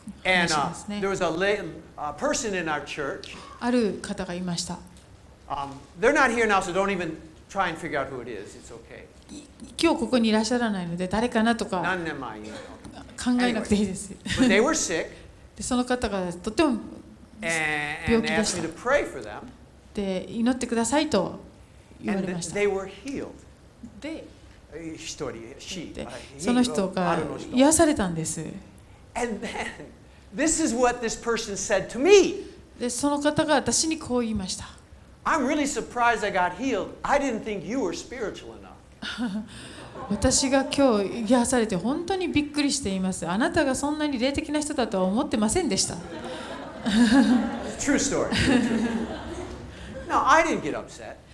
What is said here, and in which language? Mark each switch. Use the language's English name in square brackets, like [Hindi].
[English] And there was a person in our church. [Japanese] ある方がいました。 [English] They're not here now, so don't even try and figure out who it is. It's okay. [Japanese] 今日ここにいらっしゃらないので誰かなとか考えなくていいです。 [English] But they were sick. [Japanese] でその方がとても病気でした。 [English] And asked me to pray for them. [Japanese] で祈ってくださいと言われました。 [English] And they were healed. [Japanese] で一人死で、その人が癒されたんです。 [English] And then. This is what this person said to me. [Japanese] で、その方が私にこう言いました。 [English] I'm really surprised I got healed. I didn't think you were spiritual enough. [Japanese] 私が今日癒されて本当にびっくりしています。あなたがそんなに霊的な人だとは思ってませんでした。 [English] True story. No, I didn't get upset.